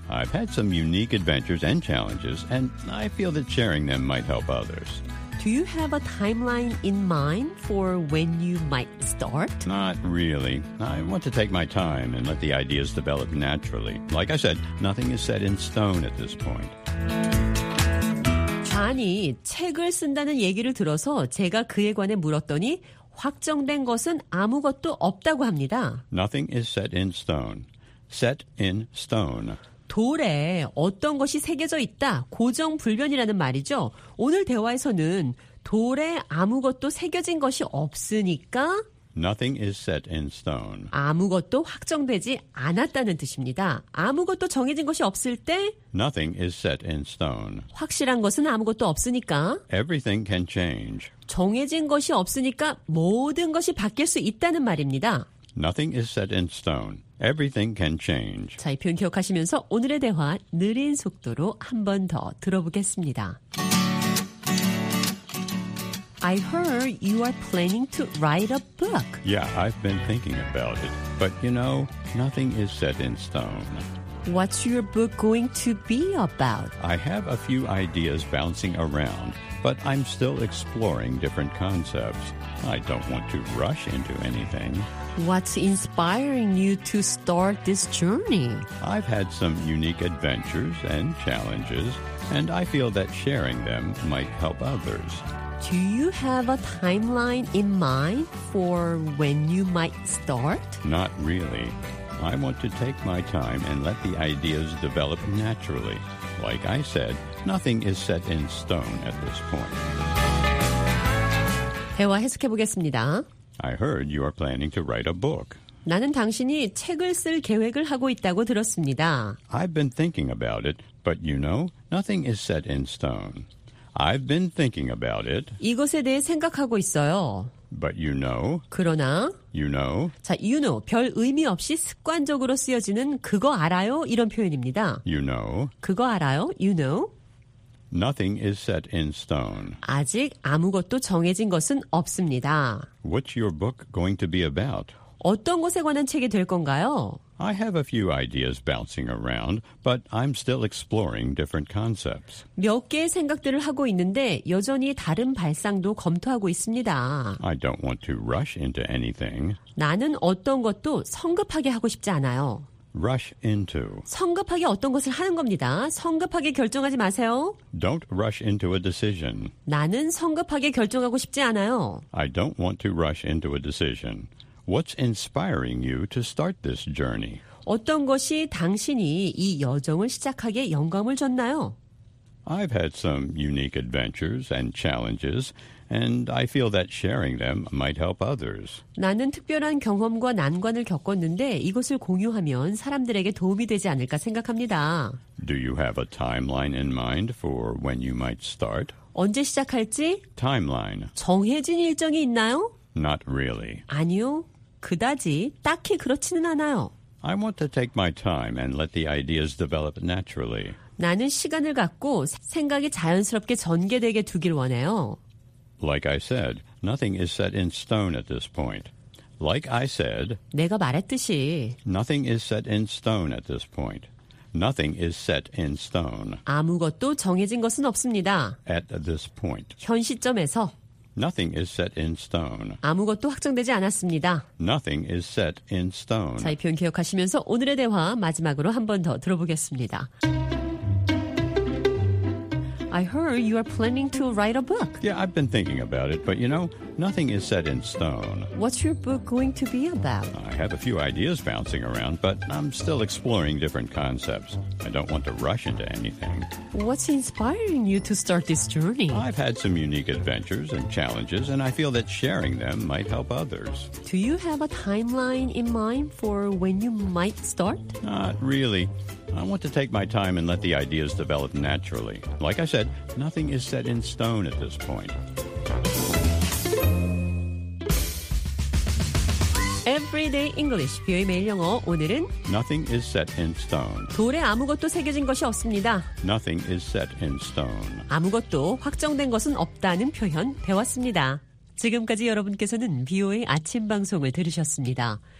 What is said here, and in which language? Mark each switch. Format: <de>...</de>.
<en>I've had some unique adventures and challenges, and I feel that sharing them might help others. Do you have a timeline in mind for when you might start? Not really. I want to take my time and let the ideas develop naturally. Like I said, nothing is set in stone at this point.</en> <ko>아니, 책을 쓴다는 얘기를 들어서 제가 그에 관해 물었더니 확정된 것은 아무것도 없다고 합니다.</ko> <en>Nothing is set in stone. Set in stone.</en> <ko>돌에 어떤 것이 새겨져 있다. 고정불변이라는 말이죠. 오늘 대화에서는 돌에 아무것도 새겨진 것이 없으니까</ko> <en>Nothing is set in stone.</en> <ko>아무것도 확정되지 않았다는 뜻입니다. 아무것도 정해진 것이 없을 때</ko> <en>Nothing is set in stone.</en> <ko>확실한 것은 아무것도 없으니까</ko> <en>Everything can change.</en> <ko>정해진 것이 없으니까 모든 것이 바뀔 수 있다는 말입니다.</ko> <en>Nothing is set in stone. Everything can change.</en> <ko>자, 이 표현 기억하시면서 오늘의 대화 느린 속도로 한 번 더 들어보겠습니다.</ko> <en>I heard you are planning to write a book. Yeah, I've been thinking about it. But you know, nothing is set in stone. What's your book going to be about? I have a few ideas bouncing around, but I'm still exploring different concepts. I don't want to rush into anything. What's inspiring you to start this journey? I've had some unique adventures and challenges, and I feel that sharing them might help others. Do you have a timeline in mind for when you might start? Not really. I want to take my time and let the ideas develop naturally. Like I said, nothing is set in stone at this point.</en> <ko>대화 해석해 보겠습니다.</ko> <en>I heard you are planning to write a book.</en> <ko>나는 당신이 책을 쓸 계획을 하고 있다고 들었습니다.</ko> <en>I've been thinking about it, but you know, nothing is set in stone. I've been thinking about it.</en> <ko>이것에 대해 생각하고 있어요.</ko> <en>But you know.</en> <ko>그러나.</ko> <en>You know. 자, you know.</en> <ko>별 의미 없이 습관적으로 쓰여지는 그거 알아요? 이런 표현입니다. You know. 그거 알아요?</ko> <en>You know. Nothing is set in stone.</en> <ko>아직 아무것도 정해진 것은 없습니다.</ko> <en>What's your book going to be about?</en> <ko>어떤 것에 관한 책이 될 건가요?</ko> <en>I have a few ideas bouncing around, but I'm still exploring different concepts.</en> <ko>몇 개의 생각들을 하고 있는데 여전히 다른 발상도 검토하고 있습니다.</ko> <en>I don't want to rush into anything.</en> <ko>나는 어떤 것도 성급하게 하고 싶지 않아요.</ko> <en>Rush into.</en> <ko>성급하게 어떤 것을 하는 겁니다. 성급하게 결정하지 마세요.</ko> <en>Don't rush into a decision.</en> <ko>나는 성급하게 결정하고 싶지 않아요.</ko> <en>I don't want to rush into a decision. What's inspiring you to start this journey?</en> <ko>어떤 것이 당신이 이 여정을 시작하게 영감을 줬나요?</ko> <en>I've had some unique adventures and challenges, and I feel that sharing them might help others.</en> <ko>나는 특별한 경험과 난관을 겪었는데 이것을 공유하면 사람들에게 도움이 되지 않을까 생각합니다.</ko> <en>Do you have a timeline in mind for when you might start?</en> <ko>언제 시작할지?</ko> <en>Timeline.</en> <ko>정해진 일정이 있나요?</ko> <en>Not really.</en> <ko>아니요. 그다지 딱히 그렇지는 않아요.</ko> <en>I want to take my time and let the ideas develop naturally.</en> <ko>나는 시간을 갖고 생각이 자연스럽게 전개되게 두길 원해요.</ko> <en>Like I said, nothing is set in stone at this point. Like I said,</en> <ko>내가 말했듯이</ko> <en>nothing is set in stone at this point. Nothing is set in stone.</en> <ko>아무것도 정해진 것은 없습니다.</ko> <en>At this point.</en> <ko>현 시점에서</ko> <en>Nothing is set in stone.</en> <ko>아무것도 확정되지 않았습니다.</ko> <en>Nothing is set in stone.</en> <ko>자, 이 표현 기억하시면서 오늘의 대화 마지막으로 한 번 더 들어보겠습니다.</ko> <en>I heard you are planning to write a book. Yeah, I've been thinking about it, but you know, nothing is set in stone. What's your book going to be about? I have a few ideas bouncing around, but I'm still exploring different concepts. I don't want to rush into anything. What's inspiring you to start this journey? I've had some unique adventures and challenges, and I feel that sharing them might help others. Do you have a timeline in mind for when you might start? Not really. I want to take my time and let the ideas develop naturally. Like I said, nothing is set in stone at this point.</en> <ko>Everyday English, 비의 매일 영어, 오늘은</ko> <en>Nothing is set in stone.</en> <ko>돌에 아무것도 새겨진 것이 없습니다.</ko> <en>Nothing is set in stone.</en> <ko>아무것도 확정된 것은 없다는 표현 배웠습니다. 지금까지 여러분께서는 비오의 아침 방송을 들으셨습니다.</ko>